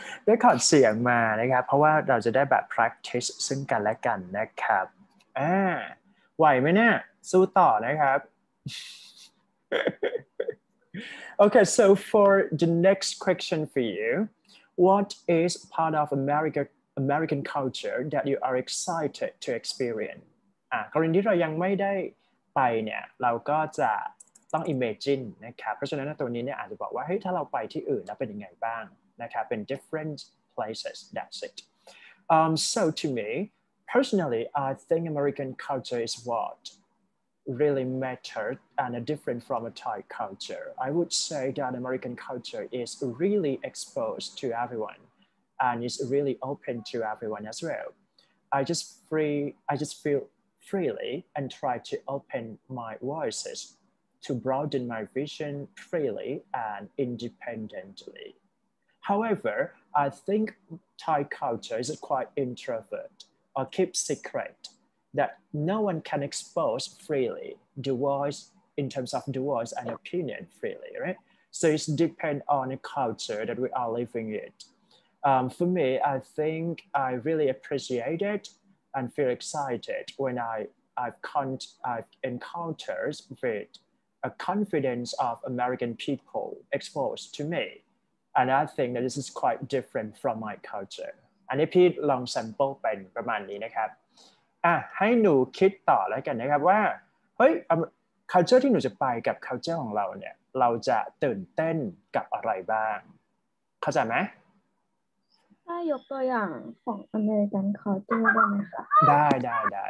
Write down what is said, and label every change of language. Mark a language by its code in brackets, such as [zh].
[th] record เสียงมานะครับเพราะว่าเราจะได้แบบ practice ซึ่งกันและกันนะครับไหวไหมเนี่ยสู้ต่อนะครับ [en] Okay, so for the next question for you, what is part of American culture that you are excited to experience? [th] กรณีที่เรายังไม่ได้ไปเนี่ยเราก็จะต้อง imagine นะครับเพราะฉะนั้นตัวนี้เนี่ยอาจจะบอกว่าเฮ้ยถ้าเราไปที่อื่นแล้วเป็นยังไงบ้างนะครับเป็น [en] different places, that's it. So to me, personally, I think American culture is what? Really matter and different from a Thai culture. I would say that American culture is really exposed to everyone, and is really open to everyone as well. I just feel freely and try to open my voices to broaden my vision freely and independently. However, I think Thai culture is quite introvert or keep secret. That no one can expose freely the voice in terms of the voice and opinion freely, right? So it depends on the culture that we are living in. For me, I think I really appreciate it and feel excited when I've encountered with a confidence of American people exposed to me. And I think that this is quite different from my culture. And if you long sample [th] เป็นประมาณนี้นะครับอ่ะให้หนูคิดต่อแล้วกันนะครับว่าเฮ้ย culture ที่หนูจะไปกับ culture ของเราเนี่ยเราจะตื่นเต้นกับอะไรบ้างเข้าใจไหม ถ้ายกตัวอย่างของ American culture ได้ไหมคะ